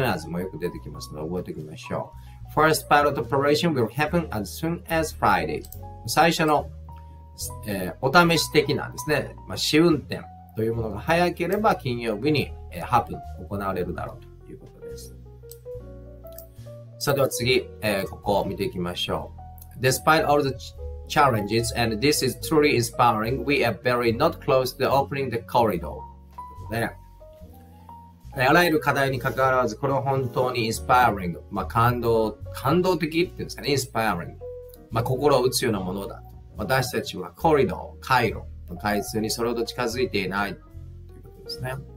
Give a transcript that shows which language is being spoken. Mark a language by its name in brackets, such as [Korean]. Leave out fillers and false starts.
[English] as soon as [Japanese] もよく出てきますので覚えておきましょう。 [English] First pilot operation will happen as soon as Friday。 [Japanese] 最初の、お試し的なんですね、まあ、試運転というものが早ければ金曜日に、happen 行われるだろうということです。さあでは次、ここを見ていきましょう。 [English] Despite all the challenges and this is truly inspiring, we are very not close to opening the corridor. [Japanese] あらゆる課題に関わらず、これは本当にインスパイアリング、まあ感動的っていうんですかね、インスパイアリング、まあ心を打つようなものだ。私たちはコリドー、回路の開通にそれほど近づいていないということですね。